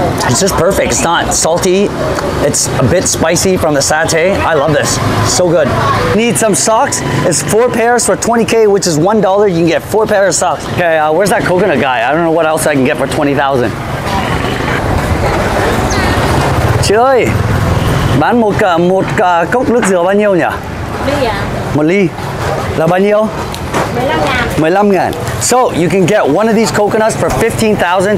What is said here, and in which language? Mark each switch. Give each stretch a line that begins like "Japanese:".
English: It's just perfect. It's not salty. It's a bit spicy from the satay. I love this. So good. Need some socks. It's 4 pairs for 20K, which is $1. You can get 4 pairs of socks. Okay, where's that coconut guy? I don't know what else I can get for 20,000.
Vietnamese: Chị ơi, bán một cốc nước dừa bao nhiêu nhỉ? Một ly là bao nhiêu? 15,000.
English: So you can get one of these coconuts for 15,000.